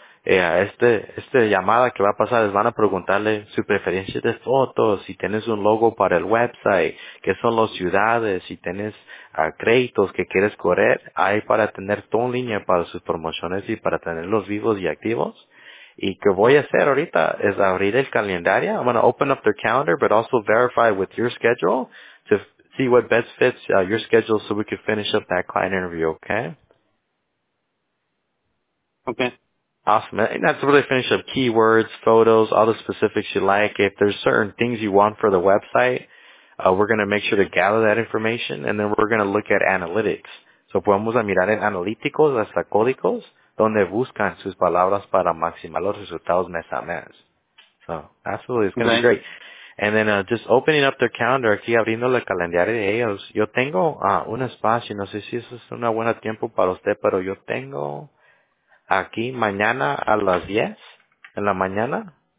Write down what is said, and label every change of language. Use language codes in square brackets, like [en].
[es] Esta llamada que va a pasar, les van a preguntarle su preferencia de fotos, si tienes un logo para el website, qué son las ciudades, si tienes créditos que quieres correr, ahí para tener todo en línea para sus promociones y para tenerlos vivos y activos. Y que voy a hacer ahorita es abrir el calendario. [en] I'm going to open up their calendar, but also verify with your schedule to see what best fits your schedule so we can finish up that client interview, okay? Okay. Awesome. And that's where they finish up keywords, photos, all the specifics you like. If there's certain things you want for the website, we're going to make sure to gather that information, and then we're going to look at analytics. [es] So podemos mirar en analíticos hasta códigos donde buscan sus palabras para maximizar los resultados mes a mes. [en] So absolutely, it's going to be great. And then just opening up their calendar, [es] aquí abriendo el calendario de ellos. Yo tengo un espacio, no sé si eso es un buen tiempo para usted, pero yo tengo aquí mañana a las 10 en la mañana.